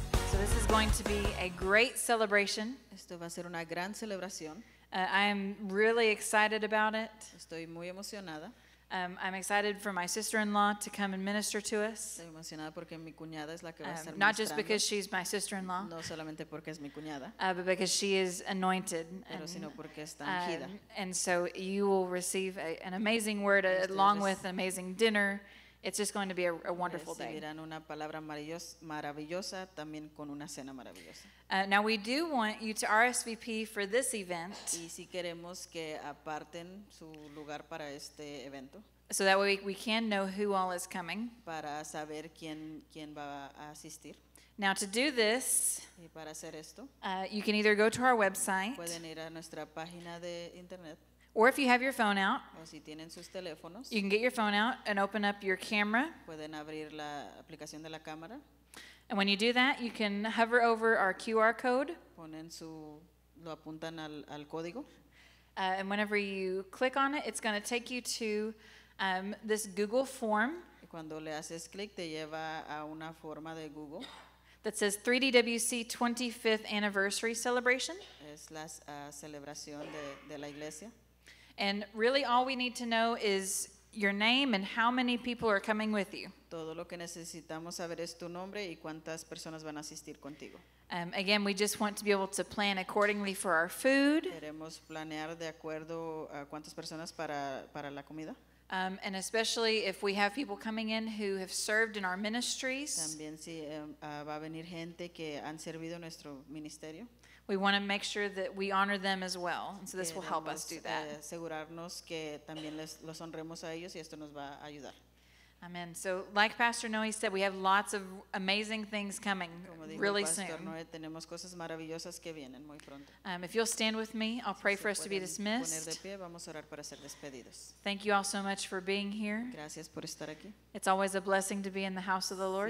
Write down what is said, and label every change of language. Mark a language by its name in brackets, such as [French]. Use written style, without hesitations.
[English] So this is going to be a great celebration. [Spanish] Esto va a ser una gran celebración. [English] I am really excited about it. [Spanish] Estoy muy emocionada. [English] I'm excited for my sister-in-law to come and minister to us. [Spanish] Estoy emocionada porque mi cuñada es la que va a estar ministrando. [English] Not just because she's my sister-in-law. [Spanish] No solamente porque es mi cuñada. [English] But because she is anointed. [Spanish] Pero sino porque está ungida. [English] And so you will receive an amazing word along with an amazing dinner. It's just going to be a wonderful day. [Spanish] Recibirán una palabra maravillosa también con una cena maravillosa. [English] Now we do want you to RSVP for this event. [Spanish] Y si queremos que aparten su lugar para este evento. [English] So that way we can know who all is coming. [Spanish] Para saber quién va a asistir. [English] Now to do this, [Spanish] y para hacer esto, [English] you can either go to our website. [Spanish] Pueden ir a nuestra página de internet. [English] Or if you have your phone out, [Spanish] o si tienen sus teléfonos, [English] you can get your phone out and open up your camera. [Spanish] Pueden abrir la aplicación de la cámara. [English] And when you do that, you can hover over our QR code. [Spanish] Ponen su, lo apuntan al código. [English] And whenever you click on it, it's going to take you to this Google form. [Spanish] Y cuando le haces click, te lleva a una forma de Google. [English] That says 3DWC 25th Anniversary Celebration. [Spanish] Es la celebración de la iglesia. [English] And really all we need to know is your name and how many people are coming with you. [Spanish] Todo lo que necesitamos saber es tu nombre y cuántas personas van a asistir contigo. [English] Again, we just want to be able to plan accordingly for our food. [Spanish] Queremos planear de acuerdo a cuántas personas para la comida. [English] And especially if we have people coming in who have served in our ministries. [Spanish] También si va a venir gente que han servido en nuestro ministerio. [English] We want to make sure that we honor them as well, and so this will help us do that. [Spanish] Asegurarnos que también los honremos a ellos y esto nos va a ayudar. [English] Amen. So, like Pastor Noe said, we have lots of amazing things coming really soon. [Spanish] Como dijo Pastor Noe, tenemos cosas maravillosas que vienen muy pronto. [English] If you'll stand with me, I'll pray for us to be dismissed. [Spanish] Poner de pie, vamos a orar para ser despedidos. [English] Thank you all so much for being here. [Spanish] Gracias por estar aquí. [English] It's always a blessing to be in the house of the Lord.